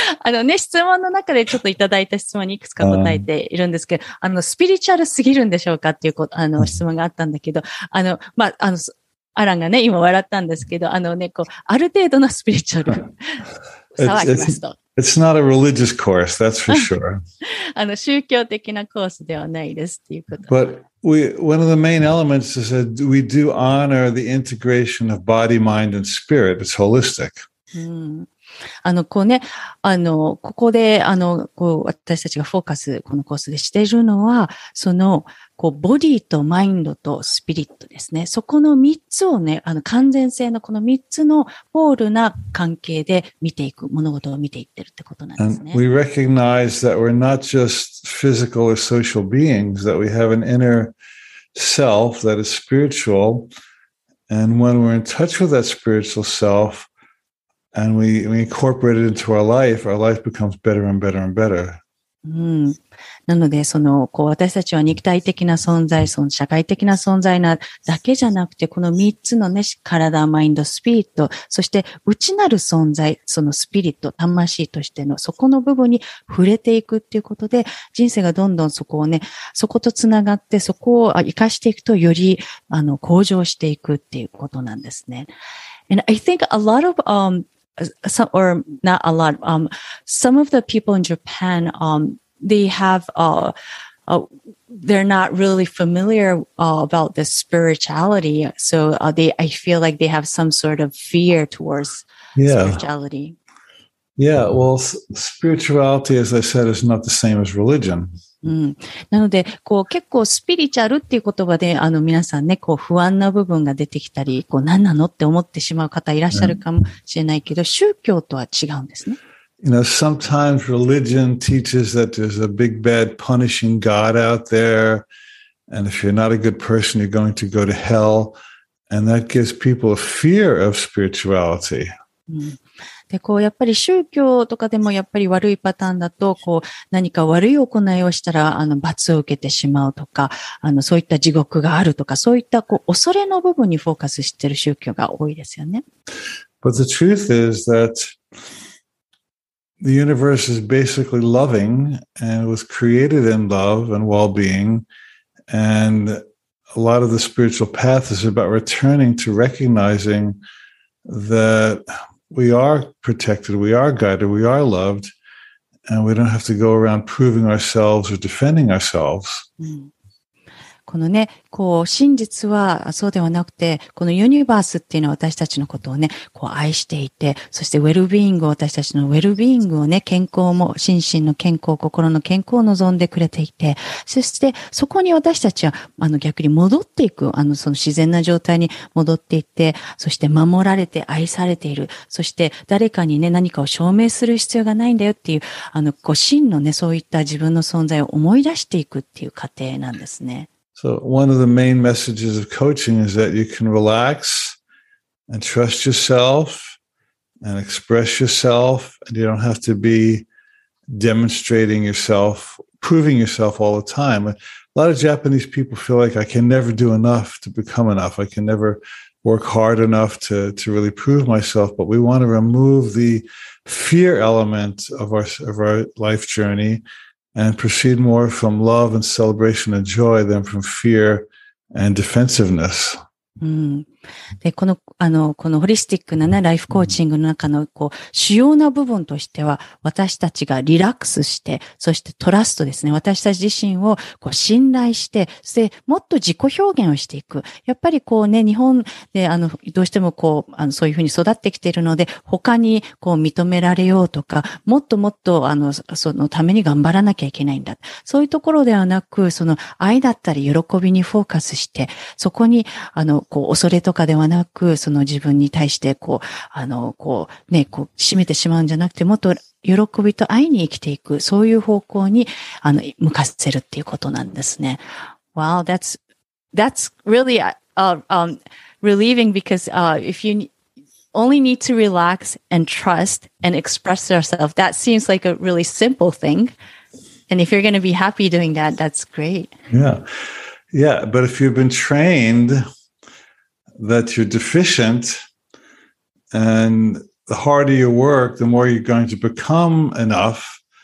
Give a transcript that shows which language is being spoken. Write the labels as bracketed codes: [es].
[ja] ね、質問の中でちょっといただいた質問にいくつか答えているんですけど、スピリチュアルすぎるんでしょうかっていうこと、質問があったんだけど、まあ、アランがね、今笑ったんですけど、ね、こう、ある程度のスピリチュアル、騒ぎますと。 [en] It's not a religious course, that's for sure. [ja] 宗教的なコースではないですっていうこと。 [en] But one of the main elements is that we do honor the integration of body, mind, and spirit. It's holistic. うん。 [ja] こうね、ここで、こう、私たちがフォーカス、このコースでしているのは、その、こう、ボディとマインドとスピリットですね。そこの三つをね、完全性のこの三つのホールな関係で見ていく、物事を見ていってるってことなんですね。 [en] And、we recognize that we're not just physical or social beings, that we have an inner self that is spiritual. And when we're in touch with that spiritual self, and we incorporate it into our life becomes better and better and better. [ja] なので、その、こう、私たちは肉体的な存在、その社会的な存在なだけじゃなくて、この三つのね、体、マインド、スピリット、そして、内なる存在、そのスピリット、魂としての、そこの部分に触れていくっていうことで、人生がどんどんそこをね、そことつながって、そこを生かしていくと、より、向上していくっていうことなんですね。 [en] And I think a lot of, some of the people in Japan, they have, they're not really familiar, about the spirituality. So, I feel like they have some sort of fear towards spirituality. Yeah. Well, spirituality, as I said, is not the same as religion. [ja] なので、こう、結構、スピリチュアルっていう言葉で、皆さんね、こう、不安な部分が出てきたり、こう、何なのって思ってしまう方いらっしゃるかもしれないけど、宗教とは違うんですね。 [en] You know, sometimes religion teaches that there's a big bad punishing God out there, and if you're not a good person, you're going to go to hell, and that gives people a fear of spirituality. [ja] で、こう、やっぱり宗教とかでもやっぱり悪いパターンだと、こう、何か悪い行いをしたら、罰を受けてしまうとか、そういった地獄があるとか、そういった、こう、恐れの部分にフォーカスしている宗教が多いですよね。 [en] But the truth is that the universe is basically loving and was created in love and well-being, and a lot of the spiritual path is about returning to recognizing thatWe are protected, we are guided, we are loved, and we don't have to go around proving ourselves or defending ourselves.、 [ja] このね、こう、真実はそうではなくて、このユニバースっていうのは私たちのことをね、こう愛していて、そしてウェルビーイングを、私たちのウェルビーイングをね、健康も、心身の健康、心の健康を望んでくれていて、そしてそこに私たちは、逆に戻っていく、その自然な状態に戻っていって、そして守られて愛されている、そして誰かにね、何かを証明する必要がないんだよっていう、こう、真のね、そういった自分の存在を思い出していくっていう過程なんですね。 [en] So one of the main messages of coaching is that you can relax and trust yourself and express yourself, and you don't have to be demonstrating yourself, proving yourself all the time. A lot of Japanese people feel like I can never do enough to become enough. I can never work hard enough to really prove myself. But we want to remove the fear element of our life journey. And proceed more from love and celebration and joy than from fear and defensiveness. [ja] で、このホリスティックなね、ライフコーチングの中の、こう、主要な部分としては、私たちがリラックスして、そしてトラストですね。私たち自身を、こう、信頼して、そして、もっと自己表現をしていく。やっぱり、こうね、日本で、どうしても、こう、そういうふうに育ってきているので、他に、こう、認められようとか、もっともっと、そのために頑張らなきゃいけないんだ。そういうところではなく、その、愛だったり、喜びにフォーカスして、そこに、こう、恐れとかではなく、その自分に対して、こう、こう、ね、こう、締めてしまうんじゃなくて、もっと喜びと愛に生きていく、そういう方向に、向かせるっていうことなんですね。 [en] Wow, that's really, relieving because, if you only need to relax and trust and express yourself, that seems like a really simple thing. And if you're going to be happy doing that, that's great. Yeah, but if you've been trained,that you're deficient and the harder you work, the more you're going to become enough.